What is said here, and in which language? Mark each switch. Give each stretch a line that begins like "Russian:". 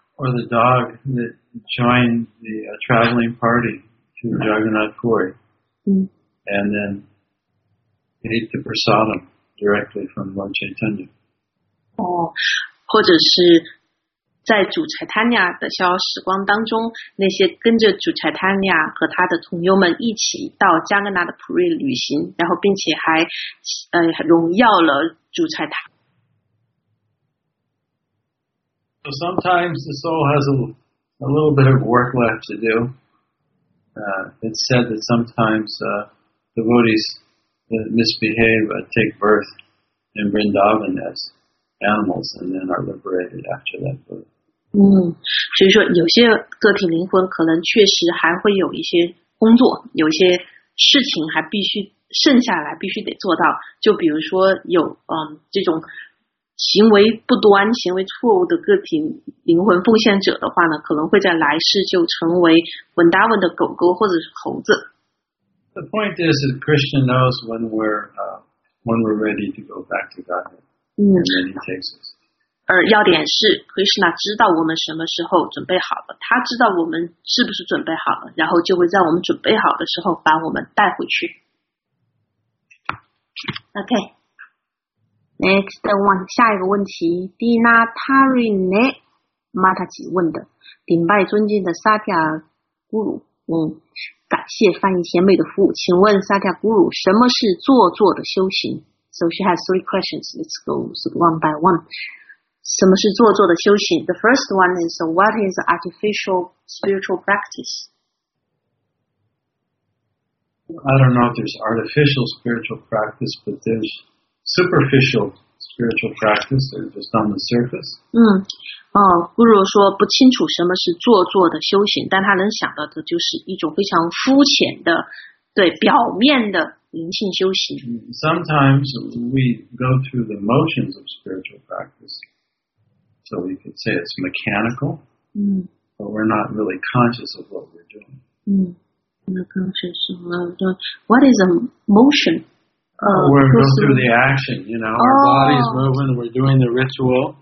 English: Or the dog that joined the traveling party to Jagannath Puri, and then ate the prasadam directly from Lord Chaitanya.
Chinese: 或者是在主财坦尼亚的逍遥时光当中，那些跟着主财坦尼亚和他的同友们一起到加格纳的普瑞旅行，然后并且还荣耀了主财坦。
English: So sometimes the soul has a little bit of work left to do. It's said that sometimes devotees that misbehave take birth in Vrindavan as animals and then are liberated after that birth.
Chinese: 所以说有些个体灵魂可能确实还会有一些工作，有些事情还必须剩下来，必须得做到。就比如说有这种行为不端、行为错误的个体灵魂奉献者的话呢，可能会在来世就成为文达文的狗狗或者是猴子。
English: The point is that Krishna knows when we're ready to go back to Godhead, and then he takes us.
Chinese: 而要点是 Krishna 知道我们什么时候准备好了，他知道我们是不是准备好了，然后就会在我们准备好的时候把我们带回去。
English: OK Next one，
Chinese: 下一个问题 Dina Tarine Mataji 问的，顶拜尊敬的 Satya Guru， 感谢翻译贤美的服务，请问 Satya Guru 什么是坐坐的修行？
English: So she has three questions. Let's go one by one.
Chinese: 什么是坐坐的修行？
English: The first one is, what is artificial spiritual practice? I don't know if there's artificial spiritual practice, but there's superficial spiritual practice, or just on the surface.
Chinese: Guru 说不清楚什么是坐坐的修行，但他能想到的就是一种非常肤浅的，对，表面的灵性修行。
English: Sometimes we go through the motions of spiritual practice. So we could say it's mechanical, but we're not really conscious of what we're doing. What is a motion? We're going through the action, you know, our body's moving, we're doing the ritual.